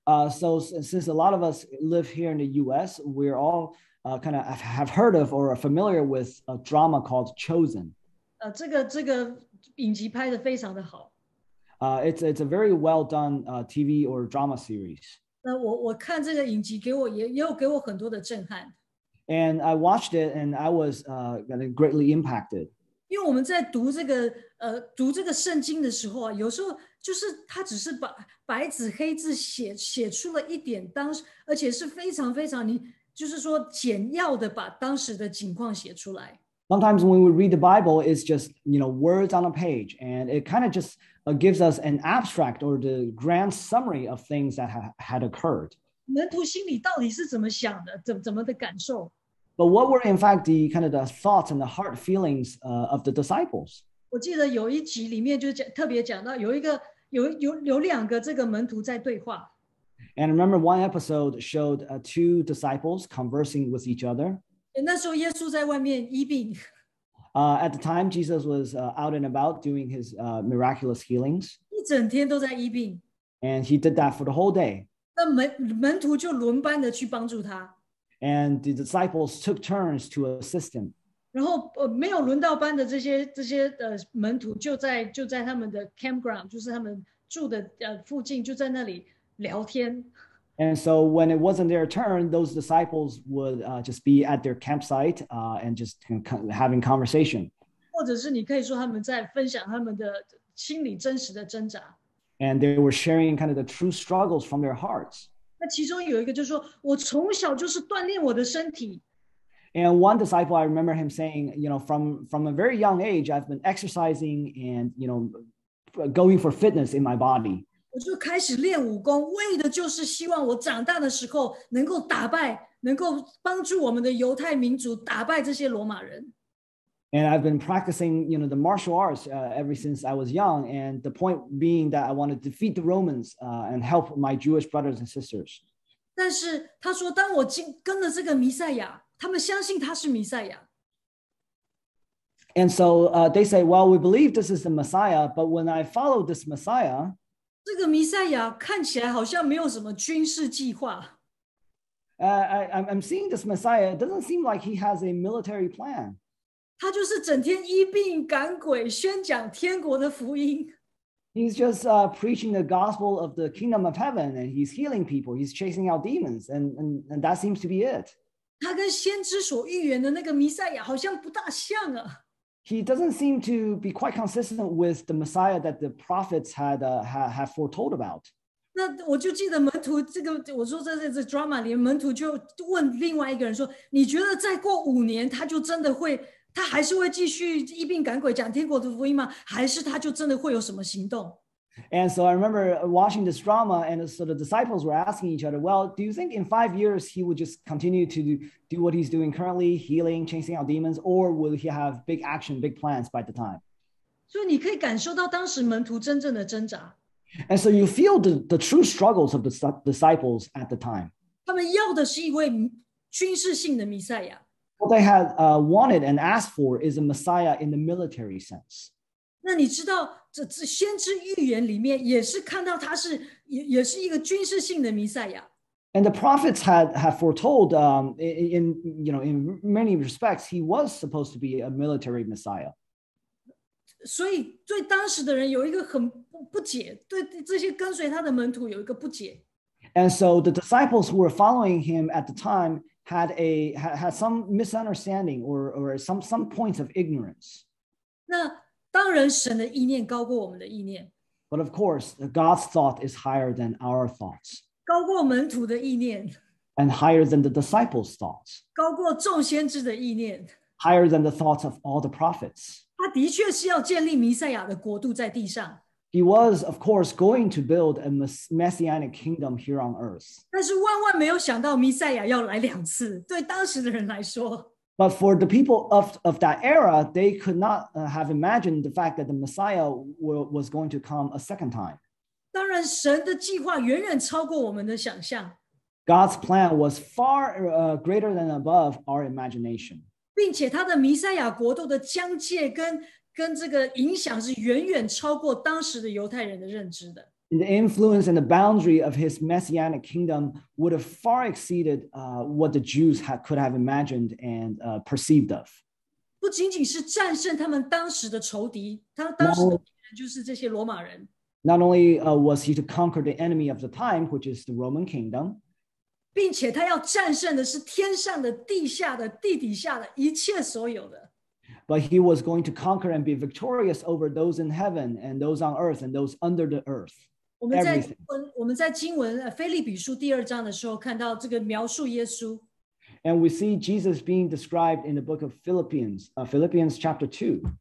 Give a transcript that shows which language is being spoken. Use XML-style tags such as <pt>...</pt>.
<en>So since a lot of us live here in the U.S., we're all kind of have heard of or are familiar with a drama called Chosen.</en> <zh>这个影集拍得非常的好。</zh> <en>It's a very well done TV or drama series.</en> <zh>我看这个影集给我也有给我很多的震撼。</zh> <en>And I watched it and I was greatly impacted.</en> <zh>因为我们在读这个圣经的时候啊，有时候就是他只是把白纸黑字写出了一点当时，而且是非常非常你就是说简要的把当时的情况写出来。</zh> <en>Sometimes when we read the Bible, it's just, you know, words on a page, and it kind of just gives us an abstract or the grand summary of things that had occurred.</en> <zh>门徒心里到底是怎么想的，怎么的感受。</zh> <en>But what were in fact the kind of the thoughts and the heart feelings of the disciples?</en> <zh>我记得有一集里面就讲特别讲到有一个有有有两个这个门徒在对话。</zh> <en>And remember, one episode showed two disciples conversing with each other.</en> <zh>那时候耶稣在外面医病。</zh> <en>At the time, Jesus was out and about doing his miraculous healings.</en> <zh>一整天都在医病。</zh> <en>And he did that for the whole day.</en> <zh>那门徒就轮班的去帮助他。</zh> <en>And the disciples took turns to assist him.</en> <zh>然后没有轮到班的这些门徒就在他们的 campground, 就是他们住的附近就在那里聊天。</zh> <en>And so when it wasn't their turn, those disciples would just be at their campsite and just having conversation.</en> <zh>或者是你可以说他们在分享他们的心里真实的挣扎。</zh> <en>And they were sharing kind of the true struggles from their hearts.</en> <zh>那其中有一个就是说我从小就是锻炼我的身体。</zh> <en>And one disciple, I remember him saying, you know, from a very young age, I've been exercising and, you know, going for fitness in my body.</en> <zh>我就开始练武功，为的就是希望我长大的时候能够打败，能够帮助我们的犹太民族打败这些罗马人。</zh> <en>And I've been practicing, you know, the martial arts ever since I was young. And the point being that I want to defeat the Romans and help my Jewish brothers and sisters.</en> <zh>但是他说，当我跟了这个弥赛亚。他们相信他是弥赛亚。</zh> <en>And so they say, well, we believe this is the Messiah, but when I follow this Messiah,</en> <zh>这个弥赛亚看起来好像没有什么军事计划。</zh> <en>I'm seeing this Messiah, it doesn't seem like he has a military plan.</en> <zh>他就是整天医病赶鬼宣讲天国的福音。</zh> <en>He's just preaching the gospel of the kingdom of heaven, and he's healing people, he's chasing out demons, and that seems to be it.</en> <zh>他跟先知所预言的那个弥赛亚好像不大像啊。</zh> <en>He doesn't seem to be quite consistent with the Messiah that the prophets had have foretold about.</en> <zh>那我就记得门徒这个，我说这 drama 里，门徒就问另外一个人说：“你觉得再过五年，他就真的会，他还是会继续医病赶鬼讲天国的福音吗？还是他就真的会有什么行动？”</zh> <en>And so I remember watching this drama, and so the disciples were asking each other, well, do you think in 5 years he would just continue to do what he's doing currently, healing, chasing out demons, or will he have big action, big plans by the time?</en> <zh>所以你可以感受到当时门徒真正的挣扎。</zh> <en>And so you feel the true struggles of the disciples at the time.</en> <zh>他们要的是一位军事性的弥赛亚。</zh> <en>What they had wanted and asked for is a Messiah in the military sense.</en> <zh>那你知道这先知预言里面也是看到他是 也是一个军事性的弥赛亚。</zh> <en>And the prophets had foretold, in, you know, in many respects, he was supposed to be a military messiah.</en> <zh>所以对当时的人有一个很不解，对这些跟随他的门徒有一个不解。</zh> <en>And so the disciples who were following him at the time had some misunderstanding or some points of ignorance.</en> <zh>那当然神的意念高过我们的意念。</zh> <en>But of course, God's thought is higher than our thoughts.</en> <zh>高过门徒的意念。</zh> <en>And higher than the disciples' thoughts.</en> <zh>高过众先知的意念。</zh> <en>Higher than the thoughts of all the prophets.</en> <zh>他的确是要建立弥赛亚的国度在地上。</zh> <en>He was, of course, going to build a messianic kingdom here on earth.</en> <zh>但是万万没有想到弥赛亚要来两次，对当时的人来说。</zh> <en>But for the people of that era, they could not have imagined the fact that the Messiah was going to come a second time.</en> <zh>当然神的计划远远超过我们的想象。</zh> <en>God's plan was far greater than above our imagination.</en> <zh>并且他的弥赛亚国度的疆界跟这个影响是远远超过当时的犹太人的认知的。</zh> <en>The influence and the boundary of his messianic kingdom would have far exceeded what the Jews could have imagined and perceived of.</en> <zh>不仅仅是战胜他们当时的仇敌，他当时的敌人就是这些罗马人。</zh> <en>Not only was he to conquer the enemy of the time, which is the Roman kingdom,</en> <zh>并且他要战胜的是天上的、地下的、地底下的一切所有的。</zh> <en>But he was going to conquer and be victorious over those in heaven and those on earth and those under the earth.</en> <zh>我们在经文腓立比书第二章的时候看到这个描述耶稣。</zh> <en>And we see Jesus being described in the book of Philippians, Philippians chapter 2.</en>